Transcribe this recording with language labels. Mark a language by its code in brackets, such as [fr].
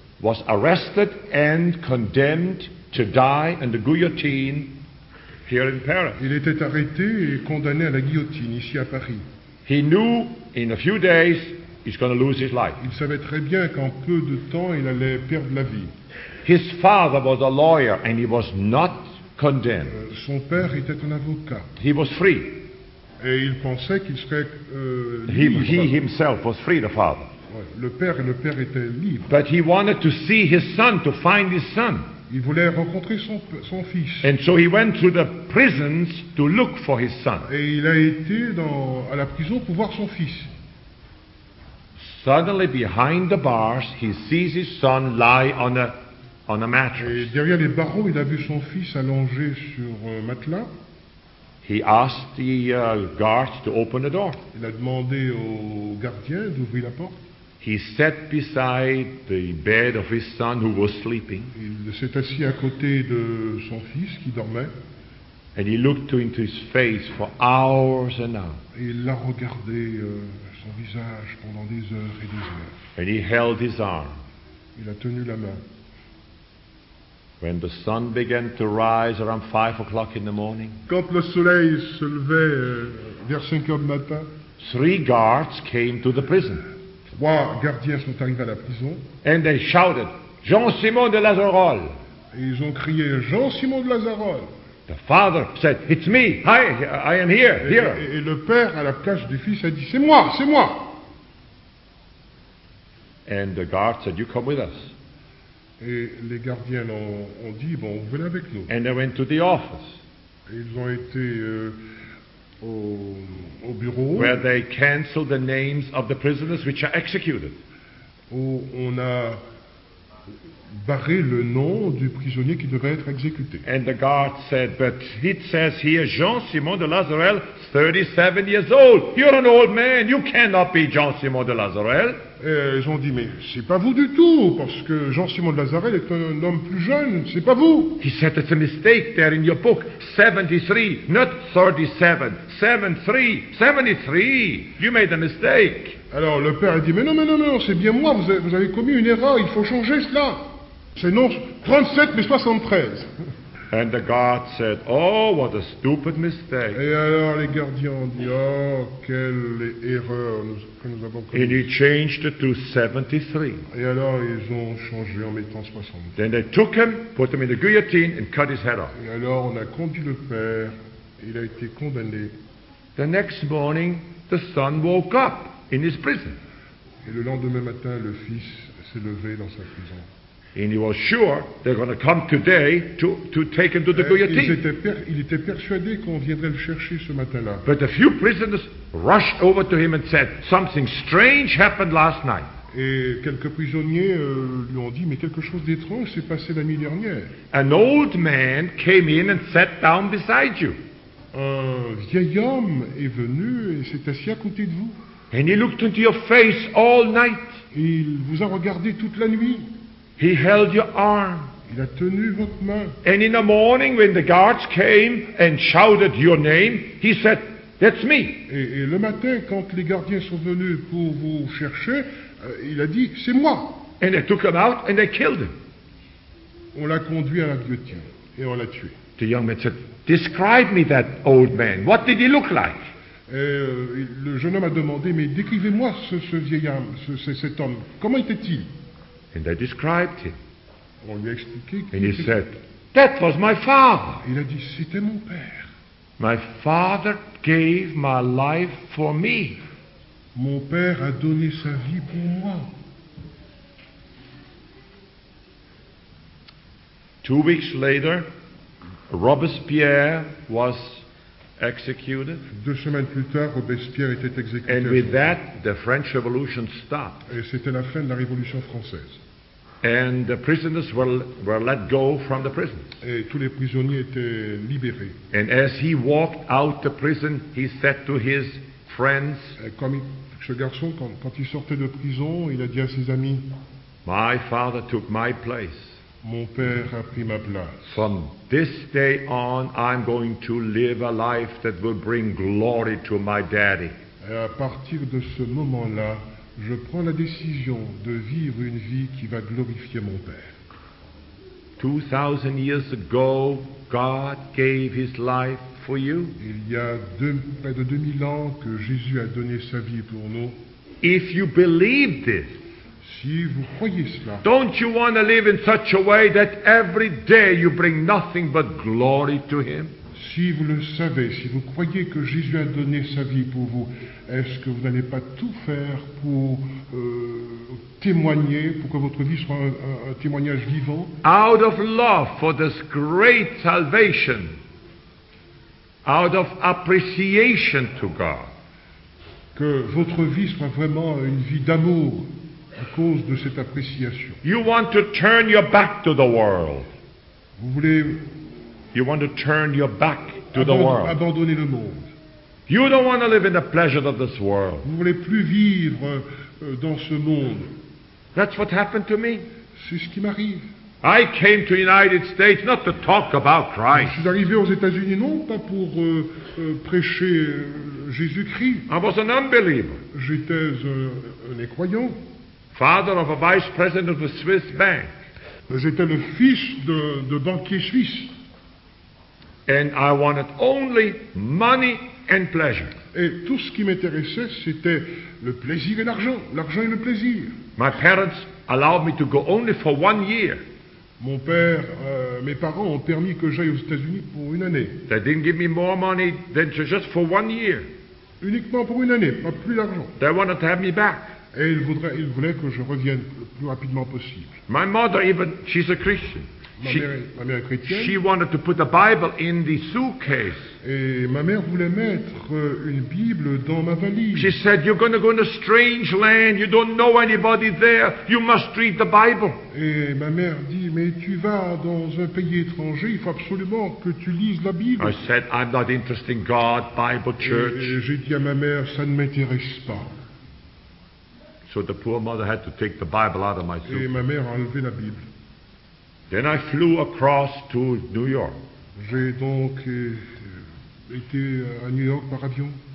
[en] Was arrested and condemned to die in the guillotine here in Paris. [fr] Il était arrêté et condamné à la guillotine ici à Paris. [en] He knew in a few days he's going to lose his life. [fr] Il savait très bien qu'en peu de temps il allait perdre la vie. [en] His father was a lawyer and he was not condemned. [fr] Son père était un avocat. [en] He was free. [fr] Et il pensait qu'il serait [en] He himself was free, the father. [fr] Le père était libre. [en] But he wanted to see his son, to find his son. [fr] Il voulait rencontrer son fils. [en] And so he went to the prisons to look for his son. [fr] Et il a été à la prison pour voir son fils. [en] Suddenly behind the bars he sees his son lie on a mattress. [fr] Et derrière les barreaux il a vu son fils allongé sur un matelas. [en] He asked the guards to open the door. [fr] Il a demandé au gardien d'ouvrir la porte. [en] He sat beside the bed of his son who was sleeping. [fr] Il s'est assis à côté de son fils qui dormait. [en] And he looked into his face for hours and hours. [fr] Et il a regardé son visage pendant des heures et des heures. [en] And he held his arm. [fr] Il a tenu la main. [en] When the sun began to rise around 5 o'clock in the morning. [fr] Quand le soleil se levait vers 5 heures du matin. [en] 3 guards came to the prison. [fr] Trois gardiens sont arrivés à la prison. [en] And they shouted, Jean-Simon de Lazarol. [fr] Ils ont crié, Jean-Simon de Lazarol. [en] The father said, it's me, hi, I am here, here. [fr] Et le père à la place du fils a dit, c'est moi, c'est moi. [en] And the guard said, you come with us. [fr] Et les gardiens ont dit, bon, vous venez avec nous. [en] And they went to the office. [fr] Et ils ont été au bureau. [en] Where they canceled the names of the prisoners which are executed. [fr] Où on a barré le nom du prisonnier qui devait être exécuté. [en] And the guard said, but it says here, Jean-Simon de Lazarel, 37 years old. You're an old man, you cannot be Jean-Simon de Lazarel. [fr] Et ils ont dit, mais c'est pas vous du tout, parce que Jean-Simon de Lazarel est un homme plus jeune, c'est pas vous. [en] He said, it's a mistake there in your book, 73, not 37, 73, 73, you made a mistake. [fr] Alors le père a dit, mais non, c'est bien moi, vous avez commis une erreur, il faut changer cela. C'est non 37, mais 73. [en] And the guard said, oh, what a stupid mistake. [fr] Et alors les gardiens ont dit, oh, quelle erreur que nous avons commise. [en] And he changed it to 73. [fr] Et alors ils ont changé en mettant 73. [en] Then they took him, put him in the guillotine, and cut his head off. [fr] Et alors on a conduit le père, il a été condamné. [en] The next morning, the son woke up in his prison. [fr] Et le lendemain matin, le fils s'est levé dans sa prison. [en] And he was sure they're going to come today to take him to the guillotine. [fr] Il était persuadé qu'on viendrait le chercher ce matin-là. [en] But a few prisoners rushed over to him and said, something strange happened last night. [fr] Et quelques prisonniers lui ont dit, mais quelque chose d'étrange s'est passé la nuit dernière. [en] An old man came in and sat down beside you. [fr] Un vieil homme est venu et s'est assis à côté de vous. [en] And he looked into your face all night. [fr] Il vous a regardé toute la nuit. [en] He held your arm. [fr] Il a tenu votre main. [en] And in the morning, when the guards came and shouted your name, he said, "That's me." [fr] Et le matin, quand les gardiens sont venus pour vous chercher, il a dit, c'est moi. [en] And they took him out and they killed him. [fr] On l'a conduit à la guillotine et on l'a tué. [en] The young man said, "Describe me that old man. What did he look like?" [fr] Et le jeune homme a demandé, mais décrivez-moi ce vieil homme, cet homme. Comment était-il? [en] And they described him. [fr] On lui a expliqué qu'il [en] and he said, that was my father. [fr] Il a dit, c'était mon père. [en] My father gave my life for me. [fr] Mon père a donné sa vie pour moi. [en] 2 weeks later, Robespierre was executed. [fr] 2 semaines plus tard, Robespierre était exécuté. [en] And with that, the French Revolution stopped. [fr] Et c'était la fin de la Révolution française. [en] And the prisoners were let go from the prison. [fr] Et tous les prisonniers étaient libérés. [en] And as he walked out the prison, he said to his friends, [fr] quand il sortait de prison, il a dit à ses amis, [en] my father took my place. [fr] Mon père a pris ma place. [en] From this day on, I'm going to live a life that will bring glory to my daddy. [fr] Et à partir de ce moment-là, je prends la décision de vivre une vie qui va glorifier mon père. [en] 2000 years ago, God gave his life for you. [fr] Il y a près de 2000 ans que Jésus a donné sa vie pour nous. [en] If you believe this, [fr] si vous croyez cela, [en] don't you want to live in such a way that every day you bring nothing but glory to him? [fr] Si vous le savez, si vous croyez que Jésus a donné sa vie pour vous, est-ce que vous n'allez pas tout faire pour témoigner, pour que votre vie soit un témoignage vivant? [en] Out of love for this great salvation, out of appreciation to God. [fr] Que votre vie soit vraiment une vie d'amour à cause de cette appréciation. [en] You want to turn your back to the world. [fr] Vous voulez... [en] You want to turn your back to the world. [fr] Abandonner le monde. [en] You don't want to live in the pleasure of this world. [fr] Vous voulez plus vivre dans ce monde. [en] That's what happened to me. [fr] C'est ce qui m'arrive. [en] I came to the United States not to talk about Christ. [fr] Je suis arrivé aux États-Unis non pas pour prêcher Jésus-Christ. [en] I was an unbeliever. [fr] J'étais un incroyant. [en] Father of a vice president of a Swiss bank. [fr] J'étais le fils de banquier suisse. [en] And I wanted only money and pleasure. [fr] Et tout ce qui m'intéressait, c'était le plaisir et l'argent, l'argent et le plaisir. [en] My parents allowed me to go only for 1 year. [fr] Mon père, mes parents ont permis que j'aille aux États-Unis pour une année. [en] They didn't give me more money than just for 1 year. [fr] Uniquement pour une année, pas plus d'argent. [en] They wanted to have me back. [fr] Et ils voulaient que je revienne le plus rapidement possible. [en] My mother even, she's a Christian. [fr] Ma mère est chrétienne. [en] She wanted to put the Bible in the suitcase. [fr] Et ma mère voulait mettre une Bible dans ma valise. [en] She said, "You're going to go in a strange land. You don't know anybody there. You must read the Bible." [fr] Et ma mère dit, mais tu vas dans un pays étranger. Il faut absolument que tu lises la Bible. [en] I said, "I'm not interested in God, Bible, church." [fr] Et j'ai dit à ma mère, ça ne m'intéresse pas. [en] So the poor mother had to take the Bible out of my suitcase. [fr] Et ma mère a enlevé la Bible. [en] Then I flew across to New York. [fr] J'ai donc été à New York par avion.